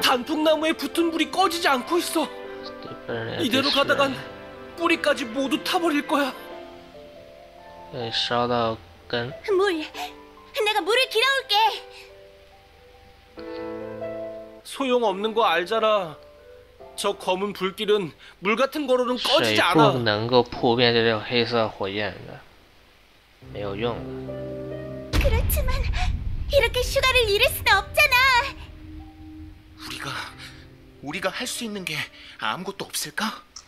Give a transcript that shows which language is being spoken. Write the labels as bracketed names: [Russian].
[Korean] 단풍나무에 붙은 불이 꺼지지 않고 있어. 이대로 가다간 뿌리까지 모두 타버릴 거야. 물, 내가 물을 길어올게. 소용없는 거 알잖아. 저 검은 불길은 물 같은 거로는 꺼지지 않아. [Chinese] 水不能够扑灭这种黑色火焰的，没有用。 [Korean] 그렇지만 이렇게 슈가를 잃을 수도 없잖아. 우리가 할 수 있는 게 아무것도 없을까?